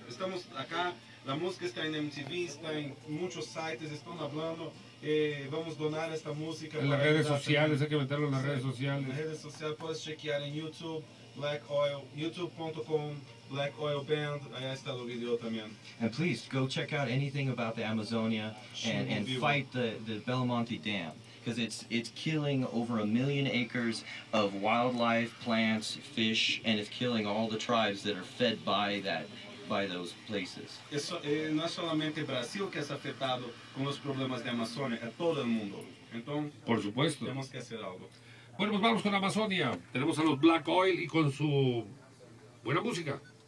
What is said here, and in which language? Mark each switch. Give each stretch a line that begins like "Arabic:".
Spanish: Estamos acá, la música está en MTV, está en muchos sites, están hablando. Vamos a donar esta música. En las redes sociales, hay que meterlo en las redes sociales. En las redes sociales, puedes chequear en YouTube. Black Oil, youtube.com, Black Oil Band, ahí está el video también.
English: And please, go check out anything about the Amazonia and fight the Belmonte Dam, because it's killing over 1 million acres of wildlife, plants, fish, and it's killing all the tribes that are fed by those places.
Spanish: Eso, no es solamente Brasil que es afectado con los problemas de Amazonia, es todo el mundo. Entonces, por supuesto, tenemos que hacer algo. Bueno, pues vamos con Amazonia. Tenemos a los Black Oil y con su buena música.